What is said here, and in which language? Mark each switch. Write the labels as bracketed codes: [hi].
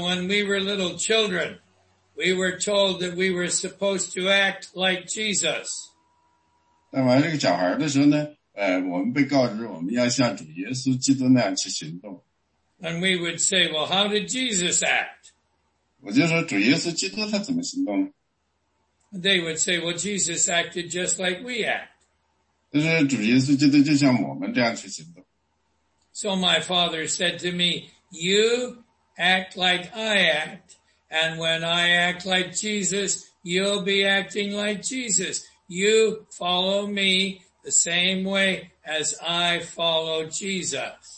[en] when we were little children, we were told that we were supposed to act like Jesus. [zh] 当完这个小孩的时候呢，我们被告知我们要像主耶稣基督那样去行动。 [en] And we would say, well, how did Jesus act? [zh] 我就说主耶稣基督他怎么行动呢? [en] They would say, well, Jesus acted just like we act. [zh] 就是主耶稣基督就像我们这样去行动。 [en] So my father said to me, you act like I act, and when I act like Jesus, you'll be acting like Jesus. You follow me the same way as I follow Jesus.